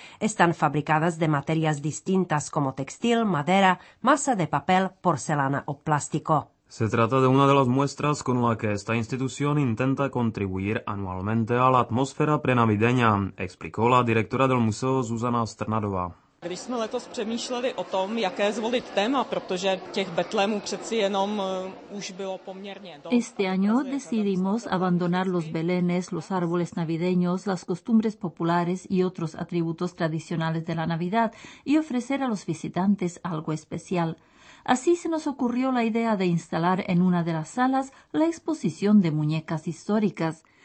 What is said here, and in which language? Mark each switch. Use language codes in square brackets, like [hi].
[es] Están fabricadas de materias distintas como textil, madera, masa de papel, porcelana o plástico. Se trata de una de las muestras con la que esta institución intenta contribuir anualmente a la atmósfera prenavideña, explicó la directora del museo Zuzana Strnadová. [cs] Když jsme letos přemýšleli o tom, jaké zvolit téma, protože těch betlémů přeci jenom už bylo poměrně dost. [es] Este año decidimos abandonar los belenes, los árboles navideños, las costumbres populares y otros atributos tradicionales de la Navidad y ofrecer a los visitantes algo especial. Así se nos ocurrió la idea de instalar en una de las salas la exposición de muñecas históricas.